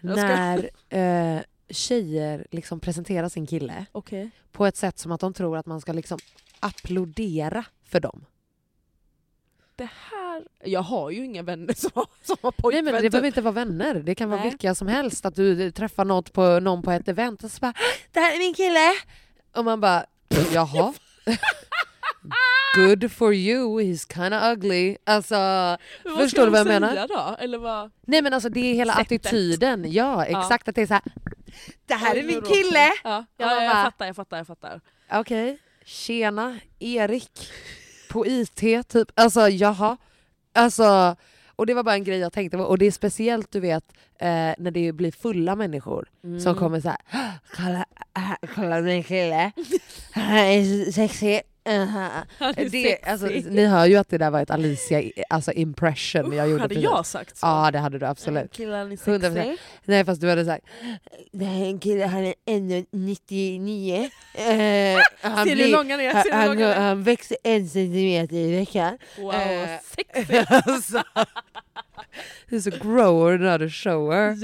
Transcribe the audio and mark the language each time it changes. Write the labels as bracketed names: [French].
[Swedish] När tjejer liksom presenterar sin kille på ett sätt som att de tror att man ska liksom applådera för dem. Det här... Jag har ju inga vänner som har pojkvänner. Nej, men det behöver inte vara vänner. Det kan vara vilka som helst. Att du träffar någon på ett event och så bara, det här är min kille! Och man bara, jaha. [English] Good for you, he's kind of ugly. [Swedish] Alltså, förstår du vad jag menar? Då? Eller vad? Nej, men alltså, det är hela sättet. Attityden. Ja, exakt. Ja. Att det är så här, det här är min kille. Jag fattar. Okej, tjena, Erik. På IT, typ. Alltså, jaha. Alltså, och det var bara en grej jag tänkte på. Och det är speciellt, du vet, när det blir fulla människor som kommer så här, kolla min kille. Han är sexy. Uh-huh. Det, alltså, ni hör ju att det där var ett Alicia alltså impression jag gjorde. Hade jag sagt så? Ja, det hade du absolut. Killen är 100%. Nej, fast du hade sagt det här är en kille, han är 99. Han växer 1 centimeter i veckan. Wow, sexy. [English] He's a grower, not a shower.